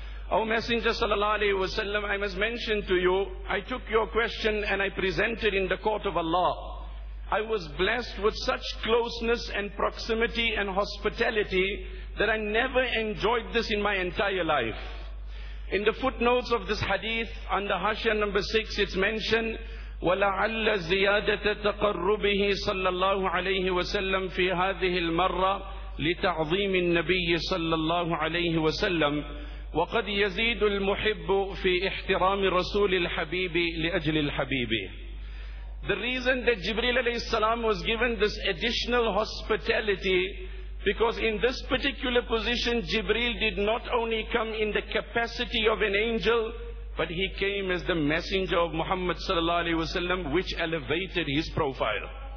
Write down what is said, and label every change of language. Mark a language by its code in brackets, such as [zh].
[en] O Messenger sallallahu alayhi wa sallam, I must mention to you, I took your question and I presented in the court of Allah. I was blessed with such closeness and proximity and hospitality that I never enjoyed this in my entire life. In the footnotes of this hadith, under Hashiya number 6, it's mentioned, [ar] وَلَعَلَّ زِيَادَةَ تَقَرُّبِهِ صَلَّى اللَّهُ عَلَيْهِ وَسَلَّمْ فِي هَذِهِ الْمَرَّةِ لِتَعْظِيمِ النَّبِيِّ صَلَّى اللَّهُ عَلَيْهِ وَسَلَّمْ وَقَدْ يَزِيدُ الْمُحِبُّ فِي إِحْتِرَامِ رَسُولِ الْحَبِيبِ لِأَجْلِ الْحَبِيبِ. [en] The reason that Jibreel alayhi salam was given this additional hospitality, because in this particular position, Jibreel did not only come in the capacity of an angel, but he came as the messenger of Muhammad sallallahu alayhi wa sallam, which elevated his profile.